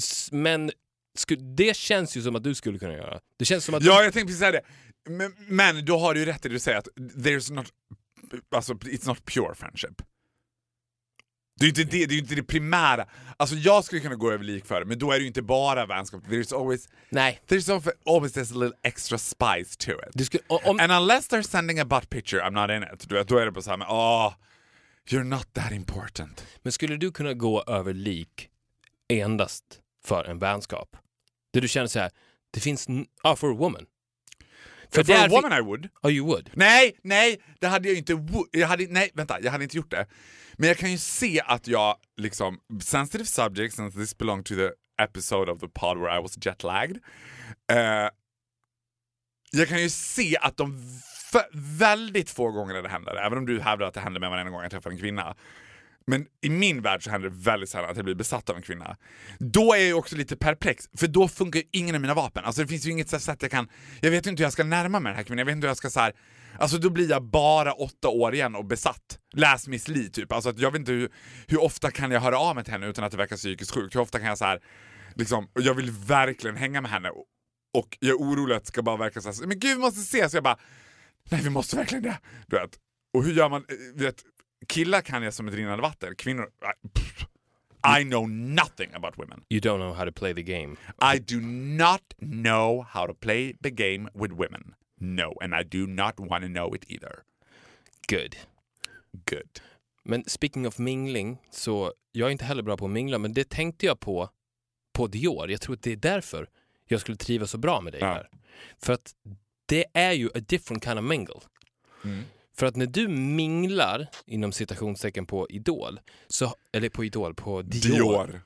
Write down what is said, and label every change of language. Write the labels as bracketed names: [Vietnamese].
[Swedish] Men det känns ju som att du skulle kunna göra. Det känns som att jag tänkte precis säga det. Men då har du ju rätt i det du säger, att [English] there's not, [Swedish] alltså [English] it's not pure friendship. [Swedish] Det är inte det, det är inte det primära. Alltså jag skulle kunna gå över lik för det, men då är det ju inte bara vänskap. [English] There's always, [Swedish] nej, [English] there's always this little extra spice to it. And unless they're sending a butt picture, I'm not in it. [Swedish] Du vet, då är det bara så här, men, [English] you're not that important. [Swedish] Men skulle du kunna gå över lik endast för en vänskap? Det du känner så här, det finns [English] for a woman. [Swedish] För det är [English] woman I would. Oh, you would. [Swedish] Nej, det hade jag inte. Jag hade inte gjort det. Men jag kan ju se att jag liksom [English] sensitive subjects, and this belonged to the episode of the pod where I was jet lagged. [Swedish] Jag kan ju se att de väldigt få gånger det händer, även om du hävdar att det händer med mig en gång jag träffar en kvinna. Men i min värld så händer det väldigt sällan att jag blir besatt av en kvinna. Då är jag också lite perplex. För då funkar ingen av mina vapen. Alltså det finns ju inget sätt jag kan... Jag vet inte hur jag ska närma mig den här kvinnan. Jag vet inte hur jag ska så här... Alltså då blir jag bara 8 år igen och besatt. Läs Miss Li typ. Alltså att jag vet inte hur ofta kan jag höra av mig till henne utan att det verkar psykiskt sjukt. Hur ofta kan jag så här... Liksom, jag vill verkligen hänga med henne. Och jag är orolig att det ska bara verka så här... Men gud, vi måste ses. Så jag bara... Nej, vi måste verkligen det. Du vet. Och hur gör man... Vet, killar kan jag som ett rinnande vatten. [English] Kvinnor, I know nothing about women. You don't know how to play the game. I do not know how to play the game with women. No, and I do not want to know it either. Good. [Swedish] Men [English] speaking of mingling, [Swedish] så jag är inte heller bra på att mingla, men det tänkte jag på Dior. Jag tror att det är därför jag skulle trivas så bra med dig här. För att det är ju [English] a different kind of mingle. [Swedish] För att när du minglar inom citationstecken på Idol, så, eller på Idol, på Dior.